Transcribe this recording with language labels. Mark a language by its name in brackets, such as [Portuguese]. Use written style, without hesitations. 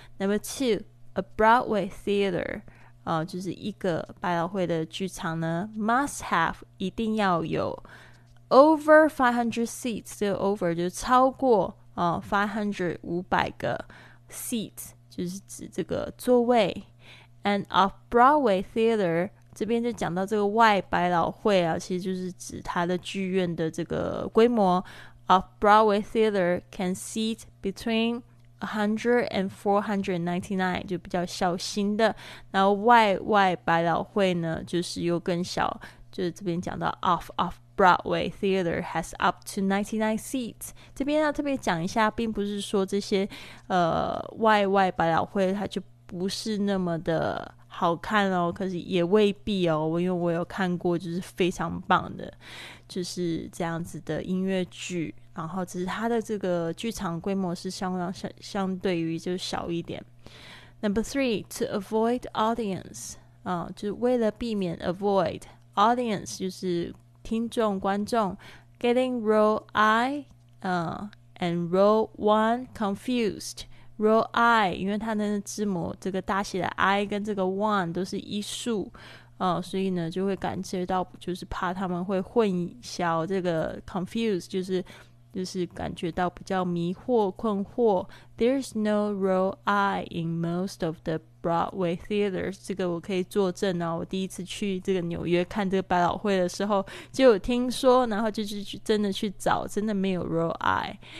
[English] Number two, a Broadway theater, [Chinese] 就是一个百老汇的剧场呢 ， [English] must have [Chinese] 一定要有 [English] over 500 seats, [Chinese] 这个 over 就是超过500 500个 seats, 就是指这个座位。 [English] And off-Broadway theater, [Chinese] 这边就讲到这个外百老汇啊，其实就是指它的剧院的这个规模。 [English] Off Broadway theater can seat between 100 and 499， [Chinese] 就比较小型的。然后外百老汇呢，就是又更小，就是这边讲到 [English] off Broadway theater has up to 99 seats。 [Chinese] 这边要特别讲一下，并不是说这些外百老汇它就不是那么的。好看哦，可是也未必哦，因为我有看过就是非常棒的就是这样子的音乐剧，然后只是它的这个剧场规模是相对于就小一点。 [English] Number three, to avoid audience [Chinese] 就是为了避免 [English] avoid audience [Chinese] 就是听众观众 [English] getting row I and row one confused。 [Chinese] Row I， 因为它的字母这个大写的 I 跟这个 one 都是一数，所以呢就会感觉到就是怕他们会混淆这个 confused， 就是感觉到比较迷惑困惑。 [English] There's no row I in most of the Broadway theaters， [Chinese] 这个我可以作证哦。我第一次去这个纽约看这个百老汇的时候就有听说，然后就是真的去找，真的没有 row I。